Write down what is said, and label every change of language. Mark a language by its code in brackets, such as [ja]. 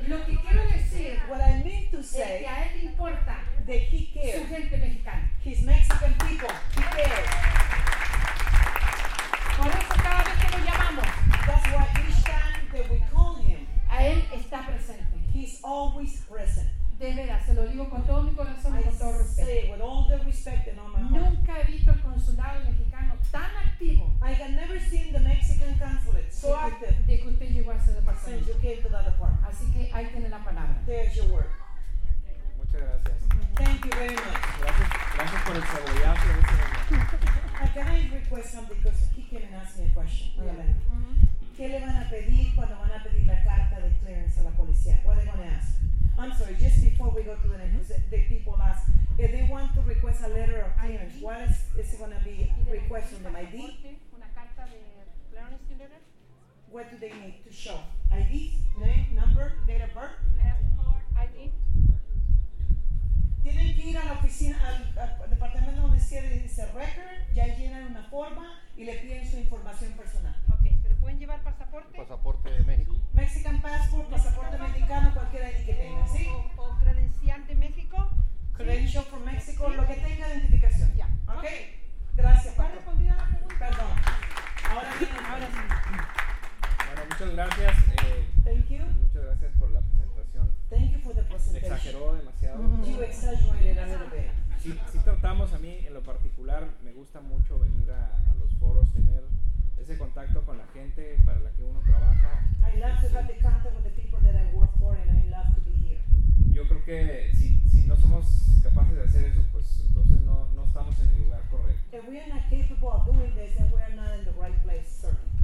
[es] Lo que quiero decir, [en] what I mean to say, [es] es que a él importa [en] that he cares. [es] Su gente mexicana. [en] His Mexican people. He cares. [es] Por eso cada vez que lo llamamos. [en] That's why each time that we call him, [es] a él está presente. [en] He's always present. [es] De veras, se lo digo con todo mi corazón y con todo respeto. [en] With all the respect and all my heart. [es] Nunca he visto el consulado mexicano tan activo. [en] I have never seen the Mexican consulate so active. [es] De que usted llegó a ese departamento. [en] Since you came to that department. [es] Así que ahí tiene la palabra. [en] There's your word. [es] Muchas gracias. [en] Thank you very much. [es] Gracias por el saboreazo. [en] Can I request something? Because he came and asked me a question. [es] ¿Qué le van a pedir cuando van a pedir la carta de clearance a la policía? [en] What are they going to ask? I'm sorry, just before we go to the next, the people ask, if they want to request a letter of clearance, ID? What is it going to be requested from them? ID? Una carta de clearance letter. What do they need to show? ID? Name? Number? Date of birth? Passport, ID. [es] Tienen que ir a la oficina, al departamento donde se dice record, ya llenan una forma y le piden su información personal. Okay, pero pueden llevar pasaporte. Pasaporte de México. [en] Mexican passport, [es] pasaporte mexicano, cualquier ID que tenga, ¿sí? O credencial de México. [en] Credential from Mexico, [es] sí. Lo que tenga identificación. Ya. [en] Yeah. Okay. Gracias, Pablo. [es] ¿Ha respondido a la pregunta? Perdón. Ahora sí. Bueno, muchas gracias. [en] Thank you. [es] Muchas gracias por la presentación. [en] Thank you for the presentation. [es] Exageró demasiado. [en] Mm-hmm. You exaggerated a little bit. [es] Sí, tratamos, a mí en lo particular, me gusta mucho venir a los foros, tener ese contacto con la gente para la que uno trabaja. [en] I love to have the contact with the people that I work for and I love to be here. [es] Yo creo que si no somos capaces de hacer eso, pues entonces no estamos en el lugar correcto. [en] If we are not capable of doing this, then we are not in the right place, sir.